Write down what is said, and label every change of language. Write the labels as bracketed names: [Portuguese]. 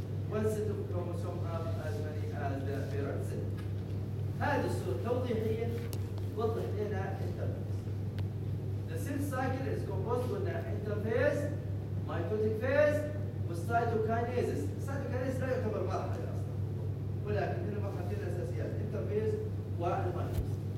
[English] One set of chromosomes have as many as the parent set. [Arabic] هذه الصورة توضيحية توضح لنا الانترفيس. [English] The cell cycle is composed with an interphase, mitotic phase, with cytokinesis. [Arabic] السيتوكينيسيس لا يعتبر مرحلة أصلاً، ولكن من المرحلتين الأساسيات الانترفيز والمايتوسيس.